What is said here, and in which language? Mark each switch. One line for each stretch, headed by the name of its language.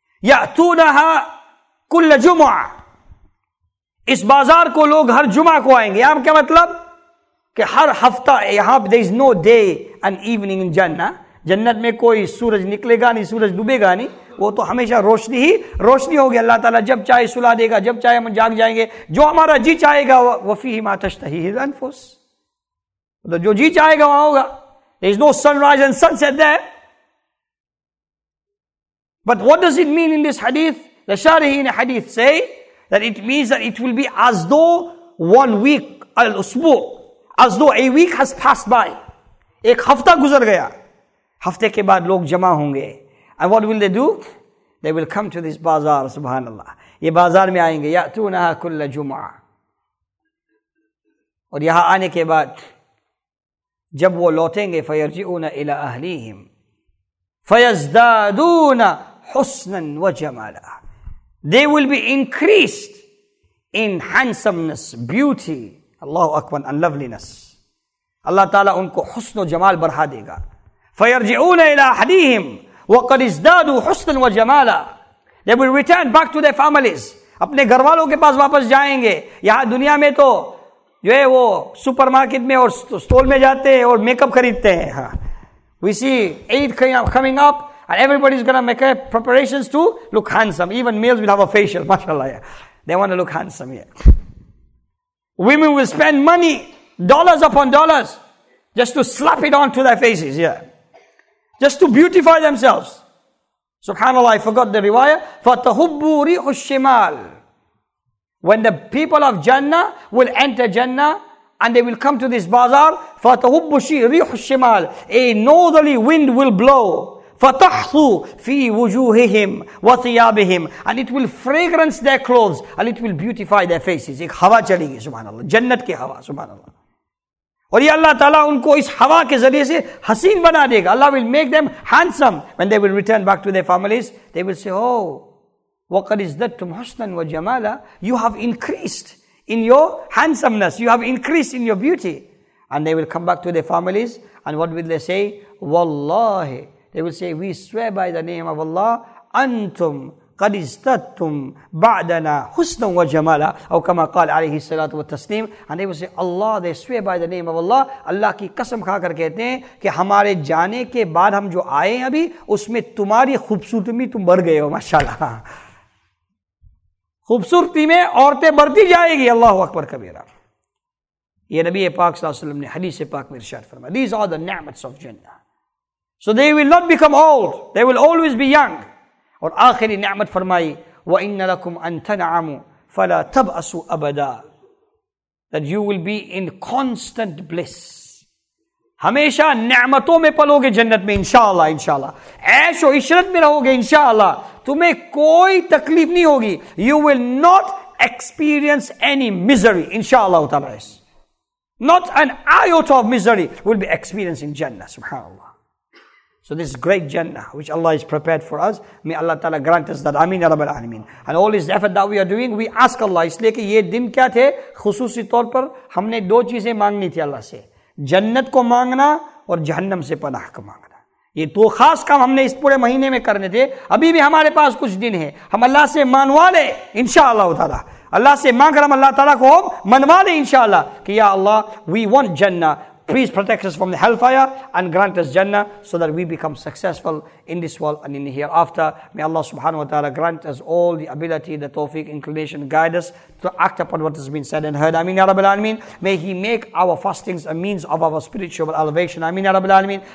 Urdu: یاتونھا کل جمعہ اس بازار کو لوگ ہر جمعہ کو آئیں گے یہاں کیا مطلب کہ ہر ہفتہ یہاں پہ
English: there is no day and evening
Urdu: ان جنہ جنت میں کوئی سورج نکلے گا نہیں سورج ڈوبے گا نہیں وہ تو ہمیشہ روشنی ہی روشنی ہوگی اللہ تعالیٰ جب چاہے سلا دے گا جب چاہے ہم جاگ جائیں گے جو ہمارا جی چاہے گا
Arabic: وفیہ ما تشتہی الانفس
Urdu: تو جو جی چاہے گا وہاں ہوگا
English: There is no sunrise and sunset there But what does it mean in this hadith? The Sharihin hadith say that it means that it will be as though 1 week, al-usbu, as though a week has passed by.
Urdu: Ek hafta guzar gaya. Hafte ke baad log jama honge.
English: And what will they do? They will come to this bazaar, subhanallah.
Urdu: Ye bazaar mein aayenge.
Arabic: Ya'tunaha kulla jum'a.
Urdu: Aur yaha aane ke baad, jab wo lotenge,
Arabic: fayarji'una ila ahlihim. Fayazdaduna حُسْنًا وَجَمَالًا
English: They will be increased in handsomeness, beauty, Allahu Akbar, and loveliness.
Urdu: Allah Ta'ala unko حُسْن وَجَمَال بَرْحَا دِيگا
Arabic: فَيَرْجِعُونَ إِلَىٰ أَحْلِيهِمْ وَقَدْ ازْدَادُوا حُسْنًا وَجَمَالًا
English: They will return back to their families.
Urdu: اپنے گھر والوں کے پاس واپس جائیں گے. یہاں دنیا میں تو جو ہے وہ سپر مارکٹ میں اور سٹول میں جاتے ہیں اور میک اپ خریدتے ہیں.
English: We see Eid coming up. And everybody's going to make preparations to look handsome. Even males will have a facial, mashallah. Yeah. They want to look handsome here. Yeah. Women will spend money, dollars upon dollars, just to slap it onto their faces here. Yeah. Just to beautify themselves. SubhanAllah, I forgot the riwayah.
Arabic: فَتَهُبُّ رِيحُ الشِّمَالِ
English: When the people of Jannah will enter Jannah, and they will come to this bazaar, فَتَهُبُّ رِيحُ الشِّمَالِ A northerly wind will blow.
Arabic: فَتَحْثُ فِي وُجُوهِهِمْ وَثِيَابِهِمْ
English: And it will fragrance their clothes and it will beautify their faces.
Urdu: ایک ہوا چلیں گے سبحان اللہ جنت کے ہوا سبحان اللہ اور یہ اللہ تعالیٰ ان کو اس ہوا کے ذریعے سے حسین بنا دے گا
English: Allah will make them handsome when they will return back to their families they will say oh
Arabic: وَقَدْ ازْدَدْتُمْ حُسْنًا وَجَمَالًا
English: You have increased in your handsomeness you have increased in your beauty And they will come back to their families. And what will they say? Wallahi. They will say, we swear by the name of Allah.
Arabic: Antum قَدْ إِزْتَدْتُمْ بَعْدَنَا حُسْنًا وَجَمَالًا أو كما قال عليه الصلاة والتسليم.
English: And they will say, Allah, they swear by the name of Allah.
Urdu: Allah کی قسم کھا کر کہتے ہیں کہ ہمارے جانے کے بعد ہم جو آئے ہیں ابھی اس میں تمہاری خوبصورتی میں تم بڑھ گئے ہو. ماشاءاللہ. خوبصورتی میں عورتیں بڑھتی جائے گی. اللہ اکبر کبیرہ. یہ نبی پاک صلی اللہ علیہ وسلم نے حدیث پاک میں ارشاد فرمایا.
English: These are the ni'mats of Jannah. So they will not become old. They will always be young.
Urdu: اور آخری نعمت فرمائی
Arabic: وَإِنَّ لَكُمْ أَن تَنْعَمُوا فَلَا تَبْأَسُوا أَبَدًا.
English: That you will be in constant bliss.
Urdu: ہمیشہ نعمتوں میں پلو گے جنت میں انشاءاللہ انشاءاللہ. عیش و عشرت میں رہو گے انشاءاللہ. تمہیں کوئی تکلیف نہیں ہوگی.
English: You will not experience any misery انشاءاللہ تعالی. Not an iota of misery will be experienced in Jannah subhanAllah. So this great Jannah which Allah has prepared for us, may Allah Ta'ala grant us that. Ameen ya Rabbal Alameen. And all this effort that we are doing, we ask Allah.
Urdu: اس لئے کہ یہ دن کیا تھے خصوصی طور پر ہم نے دو چیزیں مانگنی تھی اللہ سے, جنت کو مانگنا اور جہنم سے پناہ کو مانگنا. یہ تو خاص کام ہم نے اس پورے مہینے میں کرنے تھے. ابھی بھی ہمارے پاس کچھ دن ہیں. ہم اللہ سے مانوا لے انشاءاللہ تعالی. اللہ سے مانگ کر ہم اللہ تعالی کو منوا لے انشاءاللہ کہ یا اللہ
English: we want Jannah. Please protect us from the hellfire and grant us Jannah so that we become successful in this world and in the hereafter. May Allah subhanahu wa ta'ala grant us all the ability, the tawfiq, inclination, guide us to act upon what has been said and heard. Ameen ya Rabbal Alameen. May He make our fastings a means of our spiritual elevation. Ameen ya Rabbal Alameen.